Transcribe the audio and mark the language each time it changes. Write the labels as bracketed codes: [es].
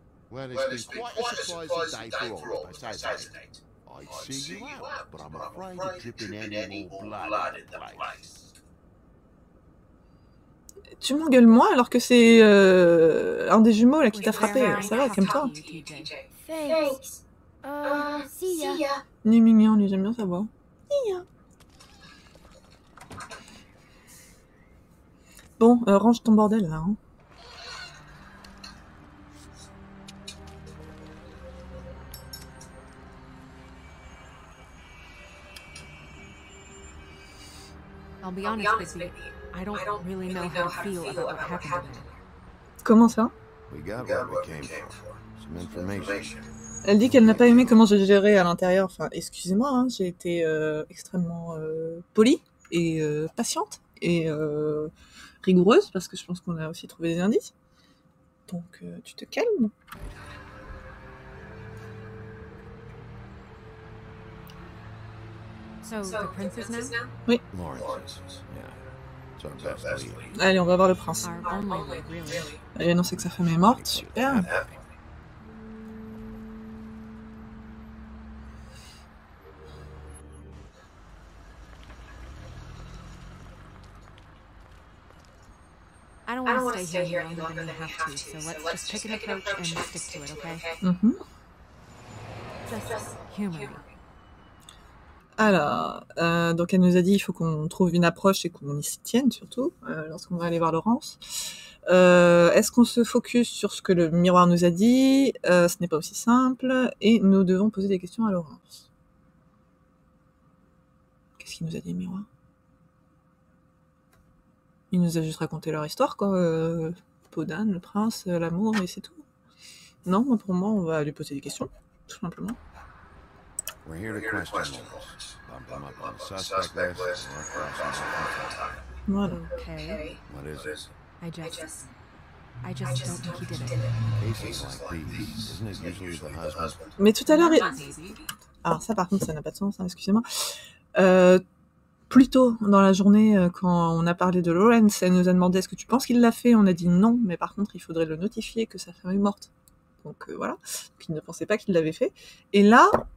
[en] Well, it's been quite a surprise to die for all of us, hasn't it? I'd see you out, but I'm afraid of dripping any more blood in the place. [fr] Tu m'engueules moi alors que c'est un des jumeaux là qui t'a frappé. Ça va, calme-toi. [en] Thanks. See ya. [fr] Ni mignon, ni j'aime bien sa voix. [en] See ya. [fr] Bon, range ton bordel là. Hein. [en] I'll be honest with you. I don't really know how to feel about what happened to him. [fr] Comment ça? [en] We got what we came for. Some information. [fr] Elle dit qu'elle n'a pas aimé comment j'ai géré à l'intérieur. Enfin, excusez-moi, hein, j'ai été extrêmement polie et patiente et rigoureuse parce que je pense qu'on a aussi trouvé des indices. Donc, tu te calmes. [en] So, the princess now? [fr] Oui. [en] Lawrence, yeah. [fr] Allez, on va voir le prince. Elle a annoncé que sa femme est morte, super. [en] I don't want to stay here any longer than we have to, so let's just pick an approach and stick to it, okay? Mm-hmm. Just humor. [fr] Alors, donc elle nous a dit il faut qu'on trouve une approche et qu'on y s'y tienne, surtout, lorsqu'on va aller voir Laurence. Est-ce qu'on se focus sur ce que le miroir nous a dit? Ce n'est pas aussi simple, et nous devons poser des questions à Laurence. Qu'est-ce qu'il nous a dit, le miroir? Il nous a juste raconté leur histoire, quoi. Podane, le prince, l'amour, et c'est tout. Non, moi, pour moi, on va lui poser des questions, tout simplement. [en] We're here to question Laurence. Bump him up on the suspect list, and we're crossing some contact. What? Okay. What is it? I just don't think he did it. Cases like these, isn't it usually the husband? [fr] Mais tout à l'heure, il... Alors ça, par contre, ça n'a pas de sens, hein, excusez-moi. Plus tôt dans la journée, quand on a parlé de Laurence, elle nous a demandé est-ce que tu penses qu'il l'a fait. On a dit non, mais par contre, il faudrait le notifier que sa femme est morte. Donc voilà, qu'il ne pensait pas qu'il l'avait fait. Et là...